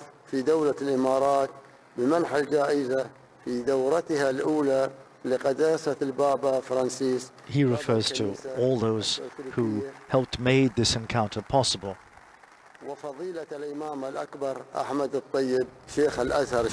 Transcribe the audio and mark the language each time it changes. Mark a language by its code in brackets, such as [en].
[ar] في دولة الإمارات بمنح الجائزة في دورتها الأولى لقداسة البابا فرانسيس. [en] He refers to all those who helped make this encounter possible. [ar] وفضيلة الإمام الأكبر أحمد الطيب شيخ الأزهر.